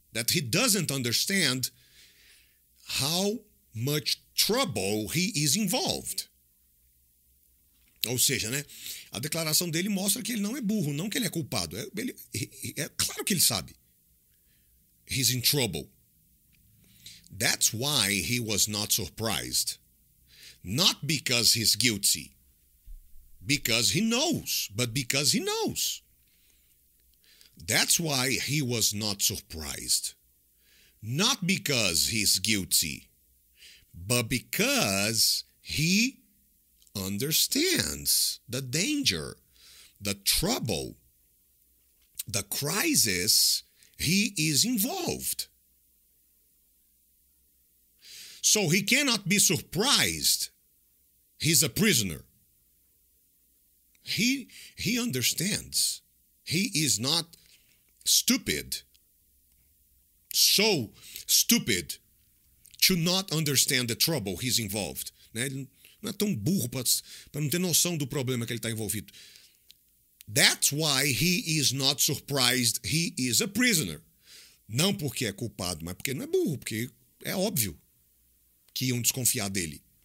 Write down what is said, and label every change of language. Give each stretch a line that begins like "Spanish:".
English: That he doesn't understand how much trouble he is involved.
Portuguese: Ou seja, né? A declaração dele mostra que ele não é burro. Não que ele é culpado. É claro que ele sabe.
English: He's in trouble. That's why he was not surprised. Not because he's guilty. Because he knows. But because he knows. That's why he was not surprised. Not because he's guilty. But because he understands the danger, the trouble, the crisis... He is involved. So he cannot be surprised. He's a prisoner. He understands. He is not stupid. So stupid to not understand the trouble he's involved.
Portuguese: Ele não é tão burro para não ter noção do problema que ele está envolvido.
English: That's why he is not surprised he is a prisoner.
Portuguese: Não porque é culpado, mas porque não é burro, porque é óbvio que iam desconfiar dele.